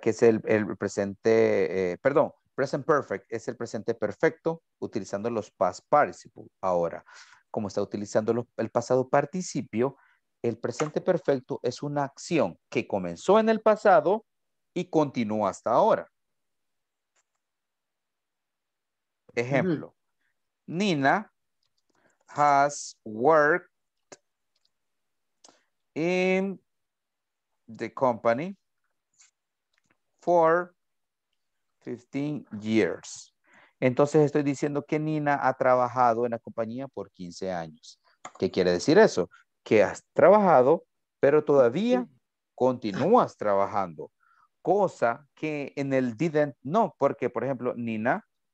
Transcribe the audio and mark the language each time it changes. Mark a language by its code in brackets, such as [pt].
[es] Que es el presente, perdón, present perfect. Es el presente perfecto utilizando los past participle. Ahora, como está utilizando el pasado participio, el presente perfecto es una acción que comenzó en el pasado y continúa hasta ahora. Ejemplo, [en] Nina has worked in the company for 15 years. [es] Entonces estoy diciendo que Nina ha trabajado en la compañía por 15 años. ¿Qué quiere decir eso? Que has trabajado, pero todavía continúas trabajando. Cosa que en el didn't no, porque por ejemplo, Nina...